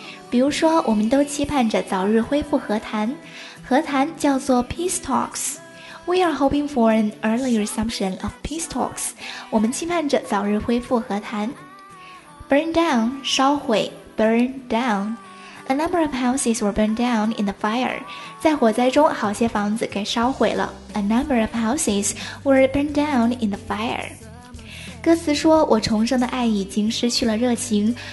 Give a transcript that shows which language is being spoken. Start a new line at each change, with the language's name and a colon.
Chinese: 比如说，我们都期盼着早日恢复和谈。和谈叫做
English: peace talks. We are hoping for an early resumption of peace talks.
Chinese: 我们期盼着早日恢复和谈。
English: Burn down,
Chinese: 烧毁
English: burn down. A number of houses were burned down in the fire.
Chinese: 在火灾中，好些房子给烧毁了。
English: A number of houses were burned down in the fire.
Chinese: 歌词说，我重生的爱已经失去了热情。